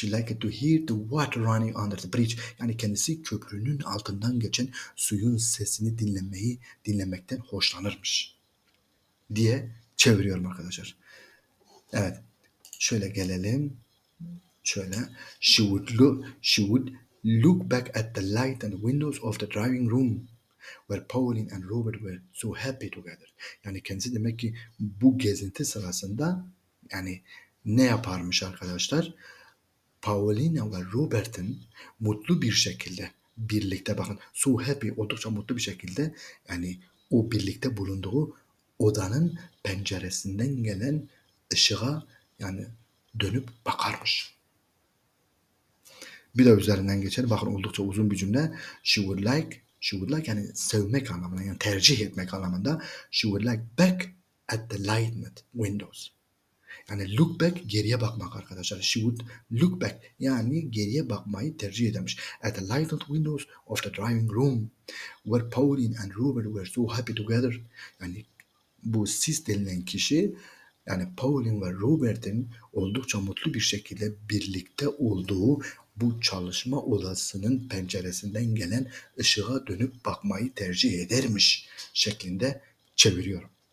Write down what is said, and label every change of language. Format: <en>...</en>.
<en>She liked to hear the water running under the bridge.</en> <tr>Yani kendisi köprünün altından geçen suyun sesini dinlemekten hoşlanırmış diye çeviriyorum arkadaşlar. Evet. Şöyle gelelim. Şöyle.</tr> <en>She would look back at the light and windows of the driving room, where Pauline and Robert were so happy together.</en> <tr>Yani kendisi demek ki bu gezinti sırasında, yani ne yaparmış arkadaşlar? Paulina ve Robert'in mutlu bir şekilde birlikte, bakın,</tr> <en>so happy,</en> <tr>oldukça mutlu bir şekilde, yani o birlikte bulunduğu odanın penceresinden gelen ışığa, yani dönüp bakarmış. Bir de üzerinden geçelim. Bakın, oldukça uzun bir cümle.</tr> <en>She would like,</en> <tr>yani sevmek anlamında, yani tercih etmek anlamında,</tr> <en>she would like back at the lighted windows.</en> <tr>Yani</tr> <en>look back,</en> <tr>geriye bakmak arkadaşlar.</tr> <en>She would look back,</en> <tr>yani geriye bakmayı tercih edermiş.</tr> <en>At the lighted windows of the driving room, where Pauline and Robert were so happy together.</en> <tr>Yani bu sis denilen kişi, yani Pauline ve Robert'in oldukça mutlu bir şekilde birlikte olduğu bu çalışma odasının penceresinden gelen ışığa dönüp bakmayı tercih edermiş şeklinde çeviriyorum.</tr>